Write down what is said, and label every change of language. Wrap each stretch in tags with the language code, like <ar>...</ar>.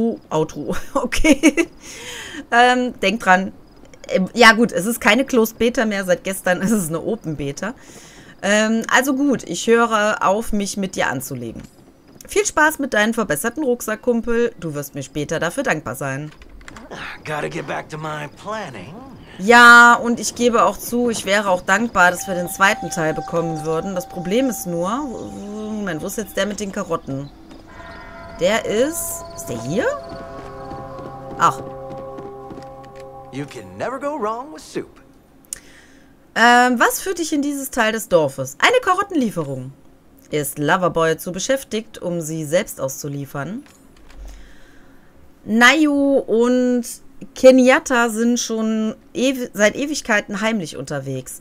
<de>Auto. Okay. Denk dran. Ja gut, es ist keine Closed Beta mehr. Seit gestern ist es eine Open Beta. Also gut, ich höre auf, mich mit dir anzulegen. Viel Spaß mit deinem verbesserten Rucksack, Kumpel. Du wirst mir später dafür dankbar sein.</de> <en>Gotta get back to my planning.</en> <de>Ja, und ich gebe auch zu, ich wäre auch dankbar, dass wir den zweiten Teil bekommen würden. Das Problem ist nur... Moment, wo ist jetzt der mit den Karotten? Der ist... Ist der hier? Ach.</de> <en>You can never go wrong with soup.</en> <de>Was führt dich in dieses Teil des Dorfes? Eine Karottenlieferung. Ist Loverboy zu beschäftigt, um sie selbst auszuliefern? Nayu und Kenyatta sind schon seit Ewigkeiten heimlich unterwegs.</de>